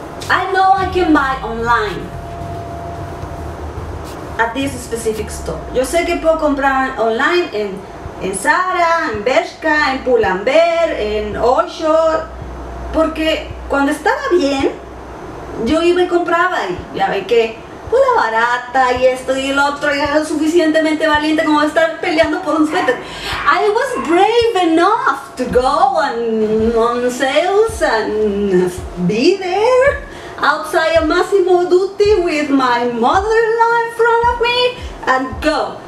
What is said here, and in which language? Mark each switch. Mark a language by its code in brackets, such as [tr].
[en] I know I can buy online at this specific store. [es] Yo sé que puedo comprar online en Zara, en Bershka, en Pull&Bear, en Osho, porque cuando estaba bien, yo iba y compraba y ya ve que una barata y esto y el otro, y era suficientemente valiente como estar peleando por un suéter. [en] I was brave enough to go on sales and be there outside a Massimo Dutti with my mother-in-law in front of me and go.